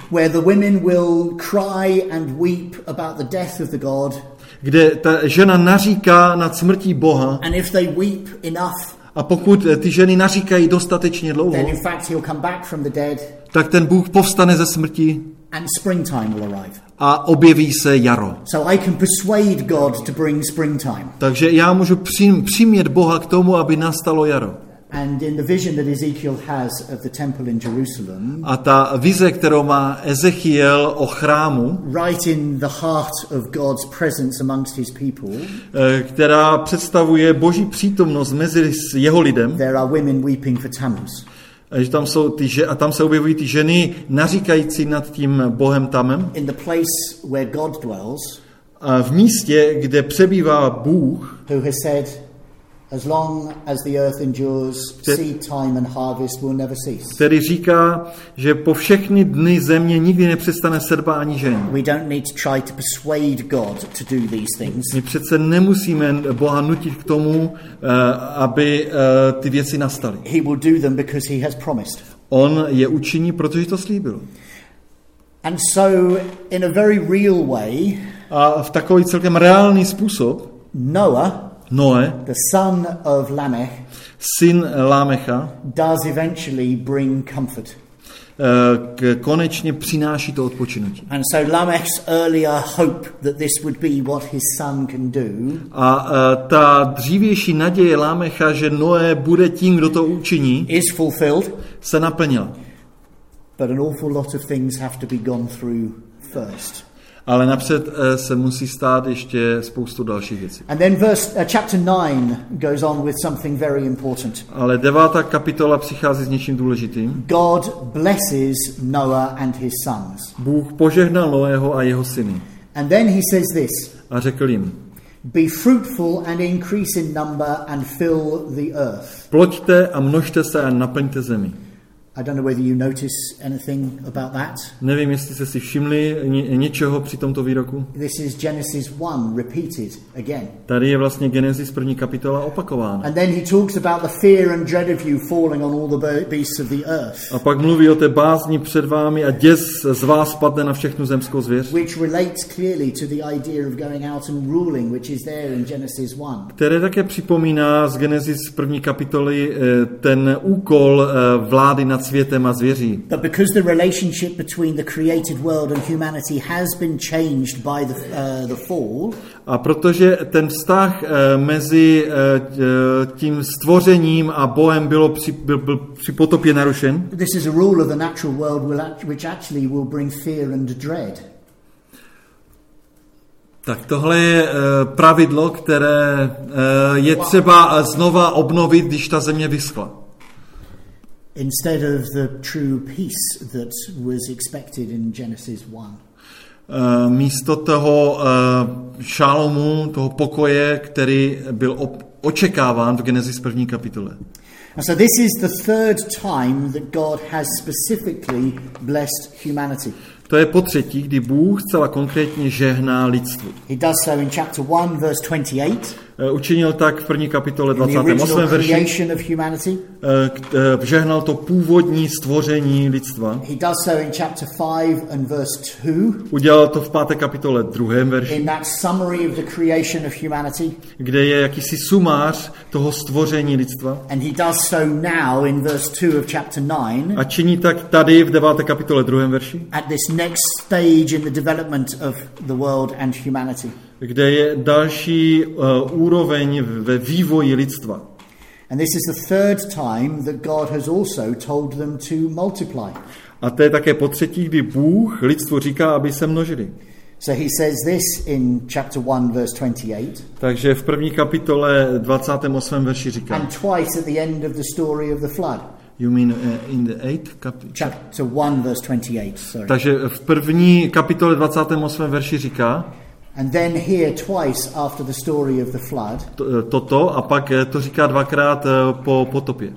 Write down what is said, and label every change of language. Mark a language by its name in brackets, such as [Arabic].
[English] Where the women will cry and weep about the death of the god. [Czech] Kde ta žena naříká nad smrtí Boha. [English] And if they weep enough. [Czech] A pokud ty ženy naříkají dostatečně dlouho, [English] then in fact he'll come back from the dead, [Czech] tak ten Bůh povstane ze smrti [English] and springtime will arrive. [Czech] A objeví se jaro. [English] So I can persuade God to bring springtime. [Czech] Takže já můžu přimět Boha k tomu, aby nastalo jaro. [English] And in the vision that Ezekiel has of the temple in Jerusalem, [Czech] a ta vize, kterou má Ezechiel o chrámu, [English] right in the heart of God's presence amongst his people, [Czech] která představuje Boží přítomnost mezi jeho lidem, [English] there are women weeping for Tammuz. [Czech] A tam se objevují ty ženy naříkající nad tím bohem Tamem. [English] In the place where God dwells, [Czech] v místě, kde přebývá Bůh, [English] who has said, As long as the earth endures, seed time and harvest will never cease. [Czech] Který říká, že po všechny dny země nikdy nepřestane sedba ani žeň. [English] We don't need to try to persuade God to do these things. [Czech] My přece nemusíme Boha nutit k tomu, aby ty věci nastaly. [English] He will do them because he has promised. [Czech] On je učiní, protože to slíbil. [English] And so in a very real way, [Czech] a v takový celkem reálný způsob, [English] Noe, the son of Lamech, [Czech] syn Lamecha, [English] does eventually bring comfort. [Czech] Konečně přináší to odpočinutí. [English] And so Lamech's earlier hope that this would be what his son can do. [Czech] A ta dřívější naděje Lamecha, že Noe bude tím, kdo to učiní, [English] is fulfilled. [Czech] Se naplnila. [English] But an awful lot of things have to be gone through first. [Czech] Ale napřed se musí stát ještě spoustu dalších věcí. [English] And then chapter 9 goes on with something very important. [Czech] Ale devátá kapitola přichází s něčím důležitým. [English] God blesses Noah and his sons. [Czech] Bůh požehnal Noého a jeho syny. [English] And then he says this. [Czech] A řekl jim: [English] Be fruitful and increase in number and fill the earth. [Czech] Ploďte a množte se a naplňte zemi. [English] I don't know whether you notice anything about that. [Czech] Nevím, jestli jste si všimli něčeho při tomto výroku. [English] This is Genesis 1 repeated again. [Czech] Tady je vlastně Genesis první kapitola opakována. [English] And then he talks about the fear and dread of you falling on all the beasts of the earth. [Czech] A pak mluví o té bázni před vámi a děs z vás padne na všechnu zemskou zvěř. [English] Which relates clearly to the idea of going out and ruling, which is there in Genesis 1. [Czech] Které také připomíná z Genesis první kapitoly ten úkol vlády nad světem a zvěří. [English] But because the relationship between the created world and humanity has been changed by the fall. [Czech] A protože ten vztah mezi tím stvořením a Bohem byl při potopě narušen. [English] This is a rule of the natural world which actually will bring fear and dread. [Czech] Tak tohle je pravidlo, které je třeba znova obnovit, když ta země vyschla. [English] Instead of the true peace that was expected in Genesis 1. [Czech] Místo toho šalomu, toho pokoje, který byl očekáván v Genesis první kapitole. [English] And so this is the third time that God has specifically blessed humanity. [Czech] To je potřetí, kdy Bůh zcela konkrétně žehná lidstvu. [English] He does so in chapter 1 verse 28. [Czech] Učinil tak v první kapitole 28. verši. Žehnal to původní stvoření lidstva. [English] He does so in chapter 5 and verse 2. [Czech] Udělal to v páté kapitole 2. verši. [English] In that summary of the creation of humanity. [Czech] Kde je jakýsi sumář toho stvoření lidstva. [English] And he does so now in verse 2 of chapter 9. [Czech] A činí tak tady v 9. kapitole 2. verši. [English] At this next stage in the development of the world and humanity. [Czech] Kde je další úroveň ve vývoji lidstva. [English] And this is the third time that God has also told them to multiply. [Czech] A to je také potřetí, kdy Bůh lidstvu říká, aby se množili. [English] So he says this in chapter 1 verse 28. [Czech] Takže v první kapitole 28. verši říká. [English] And twice at the end of the story of the flood. You mean in the 8th chapter? Chapter 1 verse 28, sorry. [Czech] Takže v první kapitole 28. verši říká. [English] And then here twice after the story of the flood. [Czech] Toto a pak to říká dvakrát po potopě.